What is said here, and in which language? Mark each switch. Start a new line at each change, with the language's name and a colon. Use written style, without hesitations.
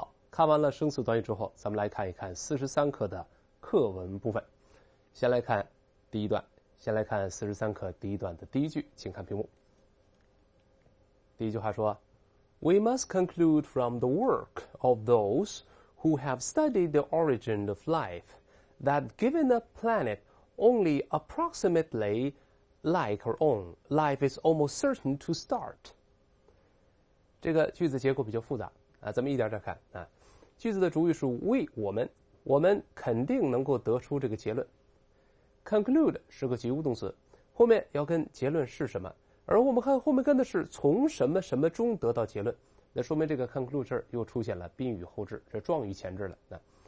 Chinese: 看完了生词短语之后，咱们来看一看43课的课文部分。先来看第一段，先来看43课第一段的第一句，请看屏幕。第一句话说：“
English: We must conclude from the work of those who have studied the origin of life that given a planet only approximately like our own, life is almost certain to start。”
Chinese: 这个句子结构比较复杂啊，咱们一点点看啊。句子的主语是 we， 我们肯定能够得出这个结论。 conclude 是个及物动词，后面要跟结论是什么，而我们看后面跟的是从什么什么中得到结论，那说明这个 conclude 这儿又出现了宾语后置，这状语前置了。